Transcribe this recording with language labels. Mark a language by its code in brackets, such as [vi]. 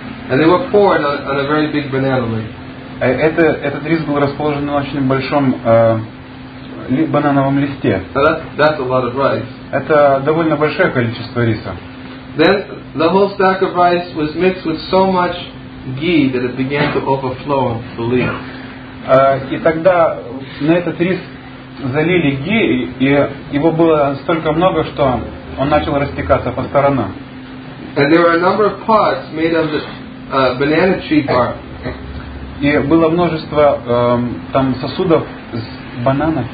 [en] And they were poured on a very big banana leaf. [ru] Этот рис был расположен на очень большом банановом листе. [en] That's a lot of rice. [ru] Это довольно большое количество риса. [en] Then the whole stack of rice was mixed with so much ghee that it began to overflow the leaf. [ru] И тогда на этот рис залили ги, и его было столько много, что он начал растекаться по сторонам. [en] And there were a number of pots made of the banana tree bark. [ru] И было множество там сосудов с банана